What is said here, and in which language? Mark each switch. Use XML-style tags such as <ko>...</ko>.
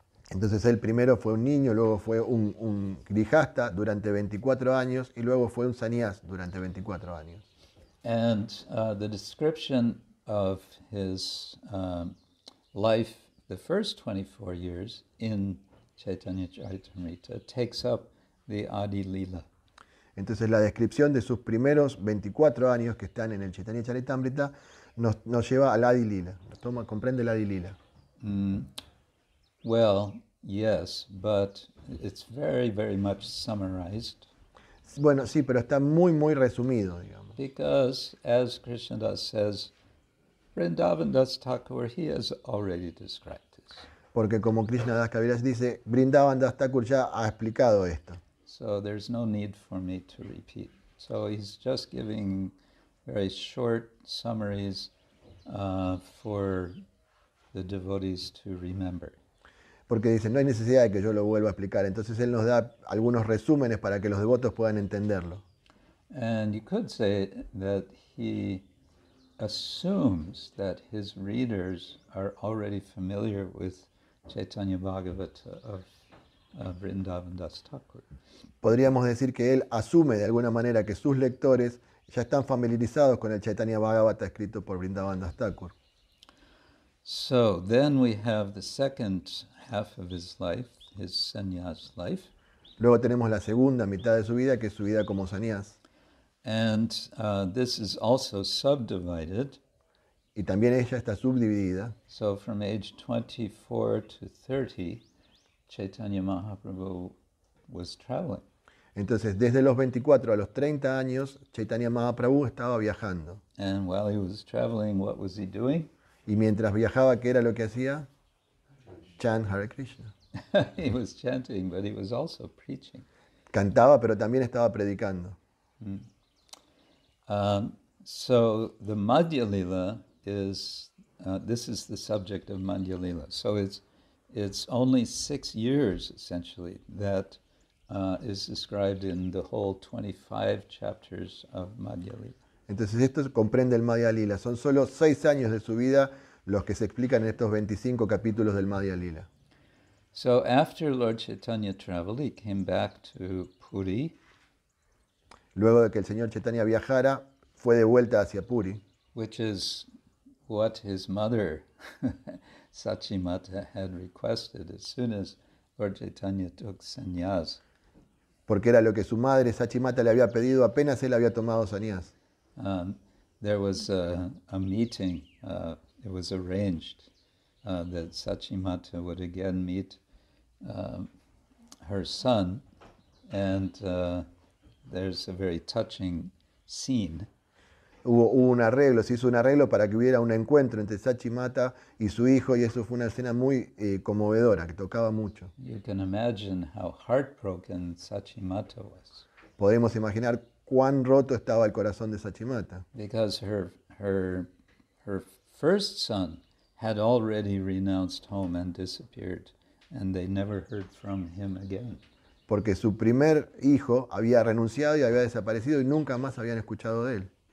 <es>Entonces él primero fue un niño, luego fue un Grihastha durante 24 años y luego fue un Sannyasi durante 24 años.</es> <en>And the description of his life the first 24 years in Chaitanya Charitamrita takes up the Adi Lila.</en> <es>Entonces la descripción de sus primeros 24 años que están en el Chaitanya Charitamrita nos lleva al Adi Lila. Toma, comprende el Adi Lila.</es> <en>Well, yes, but it's very, very much summarized.</en> <es>Bueno, sí, pero está muy, muy resumido, digamos.</es> <en>Because, as Krishnadas says, Vrindavan Das Thakur, he has already described this.</en> <es>Porque como Krishna Das Kaviraj dice, Vrindavan Das Thakur ya ha explicado esto.</es> <en>So there's no need for me to repeat. So he's just giving very short summaries for the devotees to remember.</en> <es>Porque dice, no hay necesidad de que yo lo vuelva a explicar. Entonces él nos da algunos resúmenes para que los devotos puedan entenderlo.</es> <en>And you could say that he assumes that his readers are already familiar with Chaitanya Bhagavata of Vrindavan Das Thakur.</en> <es>Podríamos decir que él asume de alguna manera que sus lectores ya están familiarizados con el Chaitanya Bhagavata escrito por Vrindavan Das Thakur.</es> <en>So then we have the second half of his life, his sannyas life.</en> <es>Luego tenemos la segunda mitad de su vida, que es su vida como sannyas.</es> <en>And this is also subdivided.</en> <es>Y también ella está subdividida.</es> <en>So from age 24 to 30, Chaitanya Mahaprabhu was traveling.</en> <es>Entonces, desde los 24 a los 30 años, Chaitanya Mahaprabhu estaba viajando.</es> <en>And while he was traveling, what was he doing?</en> <es>Y mientras viajaba, ¿qué era lo que hacía?</es> <en>Chant Hare Krishna. He was chanting, but he was also preaching.</en> <es>Cantaba, pero también estaba predicando.</es> <en>So the Madhya Lila is this is the subject of Madhya Lila. So it's only 6 years essentially that is described in the whole 25 chapters of Madhya Lila.</en> <es>Entonces esto comprende el Madhya Lila. Son solo 6 años de su vida los que se explican en estos 25 capítulos del Madhya Lila.</es> <en>So after Lord Chaitanya traveled, he came back to Puri.</en> <es>Luego de que el señor Chaitanya viajara, fue de vuelta hacia Puri.</es> <en>Which is what his mother, Sachimata, had requested as soon as Lord Chaitanya took sannyas.</en> <es>Porque era lo que su madre, Sachimata, le había pedido apenas él había tomado sannyas.</es> <en>There was a meeting, it was arranged, that Sachimata would again meet her son and... there's a very touching scene.</en> <es>Hubo un arreglo, se hizo un arreglo para que hubiera un encuentro entre Sachimata y su hijo, y eso fue una escena muy conmovedora, que tocaba mucho.</es> <en>You can imagine how heartbroken Sachimata was.</en> <es>Podemos imaginar cuán roto estaba el corazón de Sachimata.</es> <en>Because her first son had already renounced home and disappeared, and they never heard from him again.</en> <es>Porque su primer hijo había renunciado y había desaparecido y nunca más habían escuchado de él.</es>